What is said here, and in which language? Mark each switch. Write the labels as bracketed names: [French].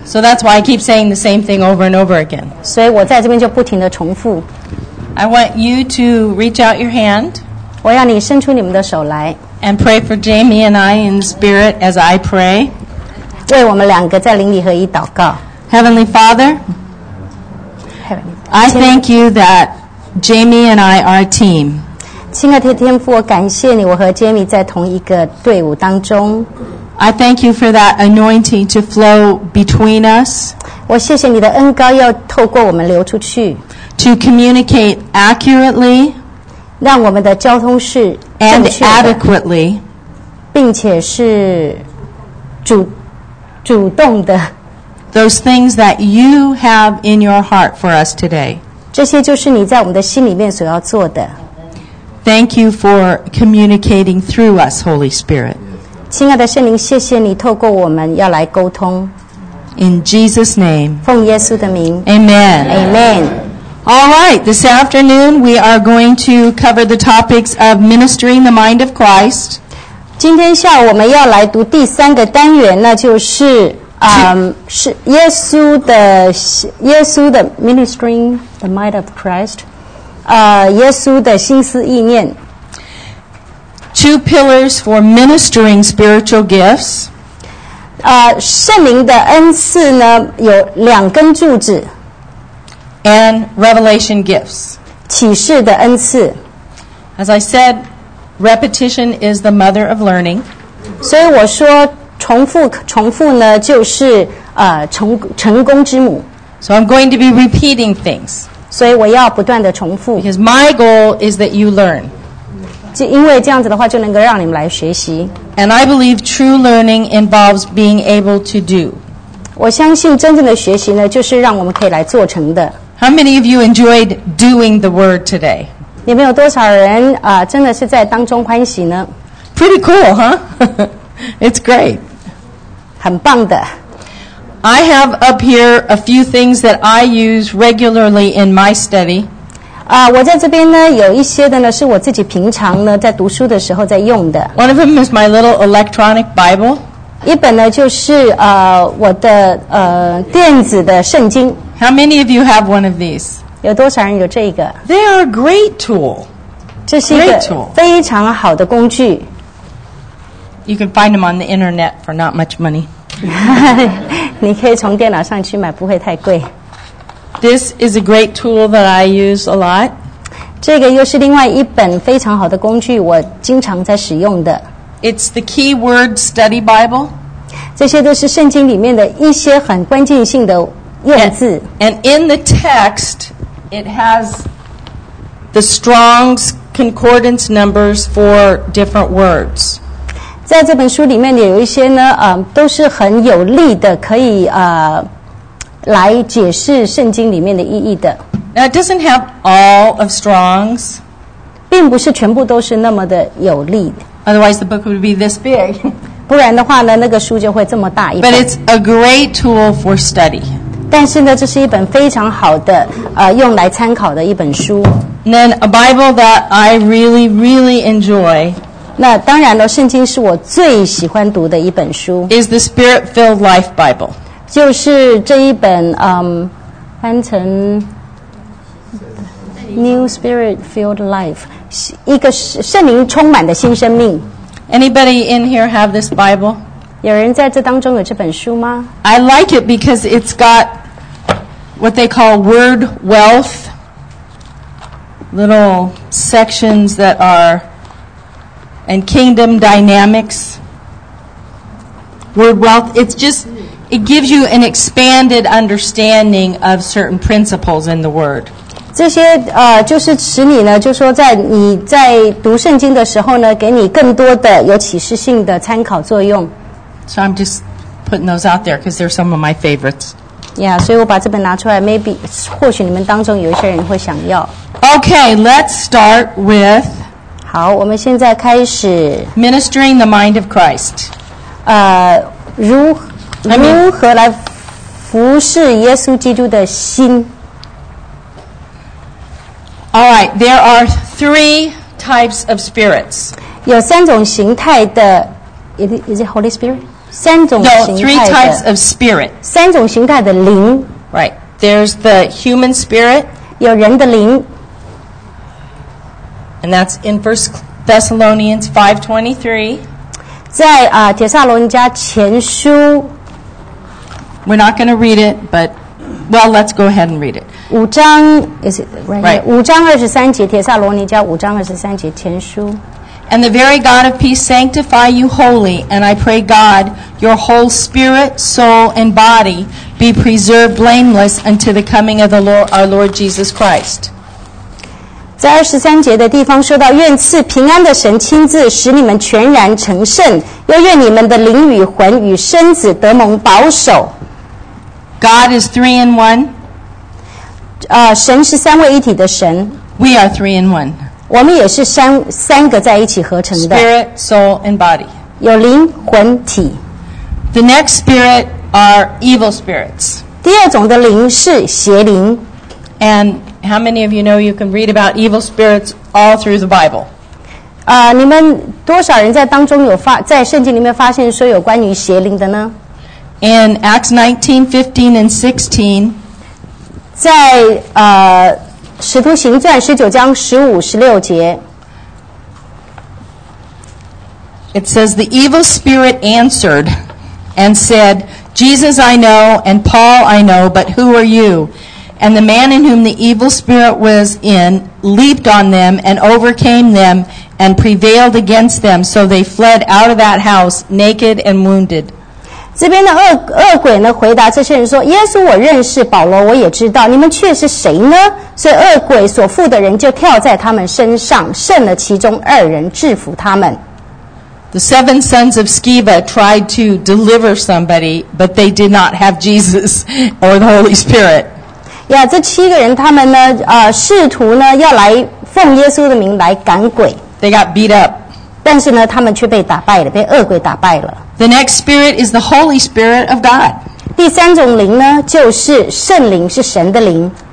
[English] So that's why I keep saying the same thing over and over again. [Chinese] 所以我在这边就不停的重复。 [English] I want you to reach out your hand. [Chinese] 我要你伸出你们的手来。 [English] And pray for Jamie and I in spirit as I pray. [Chinese] 为我们两个在灵里合一祷告。 [English] Heavenly Father, I thank you that Jamie and I are a team. [Chinese] 亲爱的天父，我感谢你，我和 Jamie 在同一个队伍当中。 [English] I thank you for that anointing to flow between us. [Chinese] 我谢谢你的恩膏要透过我们流出去。 [English] To communicate accurately. [Chinese] 让我们的交通是正确的 [English] and adequately, [Chinese] 并且是 主动的 [English] those things that you have in your heart for us today [Chinese] 这些就是你在我们的心里面所要做的 [English] Thank you for communicating through us, Holy Spirit [Chinese] 亲爱的圣灵谢谢你透过我们要来沟通 [English] In Jesus' name [Chinese] 奉耶稣的名 [English] Amen Amen All right, this afternoon we are going to cover the topics of ministering the mind of Christ. [Chinese] 今天下午我们要来读第三个单元，那就是是耶稣的 [English] ministering the mind of Christ. [Chinese] 耶稣的心思意念。 [English] Two pillars for ministering spiritual gifts. [Chinese] 圣灵的恩赐呢，有两根柱子。 [English] And revelation gifts. [Chinese] 启示的恩赐。 [English] As I said, repetition is the mother of learning. [Chinese] 所以我说重复呢就是成功之母。 [English] So I'm going to be repeating things. [Chinese] 所以我要不断的重复。 [English] Because my goal is that you learn. [Chinese] 就因为这样子的话就能够让你们来学习。 [English] And I believe true learning involves being able to do. [Chinese] 我相信真正的学习呢就是让我们可以来做成的。 [English] How many of you enjoyed doing the word today? [Chinese] 你们有多少人真的是在当中欢喜呢 [English] Pretty cool, huh? It's great. [Chinese] 很棒的。 [English] I have up here a few things that I use regularly in my study. [Chinese] 我在这边呢有一些的呢是我自己平常呢在读书的时候在用的。 [English] One of them is my little electronic Bible. [Chinese] 一本呢就是我的电子的圣经。 [English] How many of you have one of these? [Chinese] 有多少人有这个? [English] They are a great tool. [Chinese] 这是一个非常好的工具。 [English] You can find them on the internet for not much money. [Chinese] 你可以从电脑上去买，不会太贵。 [English] This is a great tool that I use a lot. [Chinese] 这个又是另外一本非常好的工具，我经常在使用的。 [English] It's the Key Word Study Bible. [Chinese] 这些都是圣经里面的一些很关键性的 [English] And in the text, it has the Strong's concordance numbers for different words. [Chinese] 在这本书里面有一些呢，都是很有力的，可以来解释圣经里面的意义的。 [English] Now, it doesn't have all of Strong's. [Chinese] 并不是全部都是那么的有力的。 [English] Otherwise, the book would be this big. [Chinese] 不然的话呢，那个书就会这么大一本。 [English] But it's a great tool for study. [Chinese] 但是呢，这是一本非常好的用来参考的一本书。 [English] And then a Bible that I really, really enjoy. [Chinese] 那当然了，圣经是我最喜欢读的一本书。 [English] Is the Spirit-Filled Life Bible. [Chinese] 就是这一本翻成New Spirit-Filled Life, 一个圣灵充满的新生命。 [English] Anybody in here have this Bible? [Chinese] 有人在这当中有这本书吗? [English] I like it because it's got what they call word wealth, little sections that are, and kingdom dynamics. Word wealth, it's just, it gives you an expanded understanding of certain principles in the word. [Chinese] 这些就是使你呢，就说在你在读圣经的时候呢，给你更多的有启示性的参考作用。 [English] So I'm just putting those out there because they're some of my favorites. Yeah, [Chinese] 所以我把这本拿出来 ， [English] maybe [Chinese] 或许你们当中有一些人会想要。 [English] Okay, let's start with. [Chinese] 好，我们现在开始。 [English] Ministering the mind of Christ. [Chinese] 如何来服侍耶稣基督的心？ [English] All right, there are three types of spirits. [Chinese] 有三种形态的 [English] is it Holy Spirit? [Chinese] 三种形态的 [English] No, three types of spirit. [Chinese] 三种形态的灵 [English] Right, there's the human spirit. [Chinese] 有人的灵 [English] And that's in 1 Thessalonians 5:23. [Chinese] 在帖撒罗尼迦前书 [English] We're not going to read it, but well, let's go ahead and read it. [Chinese] 五章 [English] is it right? [Chinese] 五章二十三节，帖撒罗尼迦五章二十三节前书。 [English] And the very God of peace sanctify you wholly, and I pray God your whole spirit, soul, and body be preserved blameless until the coming of the Lord, our Lord Jesus Christ. [Chinese] 在二十三节的地方说到，愿赐平安的神亲自使你们全然成圣，又愿你们的灵与魂与身子得蒙保守。 [English] God is three in one. [Chinese] 神是三位一体的神。 [English] We are three in one. [Chinese] 我们也是三个在一起合成的。 [English] Spirit, soul, and body. [Chinese] 有灵魂体。 [English] The next spirit are evil spirits. [Chinese] 第二种的灵是邪灵。 [English] And how many of you know you can read about evil spirits all through the Bible? [Chinese] 你们多少人在当中有发在圣经里面发现说有关于邪灵的呢 [English] ？In Acts 19:15 and 16. [Chinese] 在使徒行传十九章十五十六节 [English] It says the evil spirit answered and said Jesus I know and Paul I know but who are you? And the man in whom the evil spirit was in leaped on them and overcame them and prevailed against them so they fled out of that house naked and wounded. [Chinese] 这边的恶鬼呢回答这些人说耶稣我认识保罗我也知道你们却是谁呢所以恶鬼所附的人就跳在他们身上胜了其中二人制服他们 [English] The seven sons of Sceva tried to deliver somebody but they did not have Jesus or the Holy Spirit [Chinese] 呀这七个人他们呢试图呢要来奉耶稣的名来赶鬼 [English] They got beat up [Chinese] 但是呢他们却被打败了被恶鬼打败了 [English] The next spirit is the Holy Spirit of God. [Chinese] 第三种灵呢，就是圣灵，是神的灵。